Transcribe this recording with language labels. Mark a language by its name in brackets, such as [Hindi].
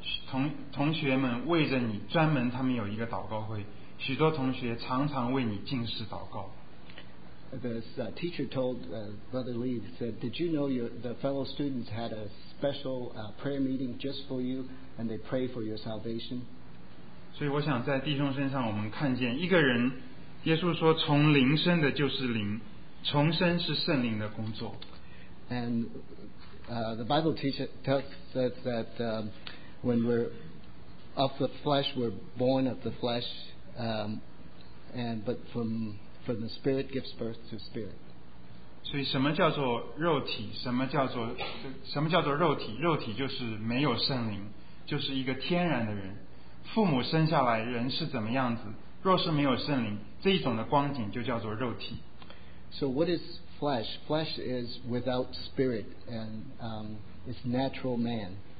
[Chinese] 同学们为着你专门，他们有一个祷告会，许多同学常常为你进食祷告。 [English] this teacher told Brother Lee, he said, did you know the fellow students had a special prayer meeting just for you and they pray for your salvation? [Chinese] 所以我想在弟兄身上我们看见一个人，耶稣说从灵生的就是灵，重生是圣灵的工作。 [English] And the Bible teaches tells us that when we're of the flesh, we're born of the flesh, and but from the spirit gives birth to spirit. [Chinese] 所以什么叫做肉体？什么叫做肉体？肉体就是没有圣灵，就是一个天然的人。父母生下来人是怎么样子？若是没有圣灵，这一种的光景就叫做肉体。 [English] So what is flesh? Flesh is without spirit, and it's natural man.